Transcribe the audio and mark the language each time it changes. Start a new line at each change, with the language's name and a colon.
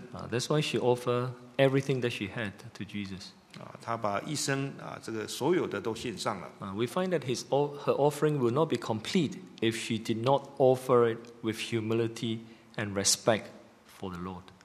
English: That's why she offered everything that she had to Jesus.
Chinese: 她把一生这个所有的都献上了。
English: We find that her offering will not be complete if she did not offer it with humility and respect for the Lord.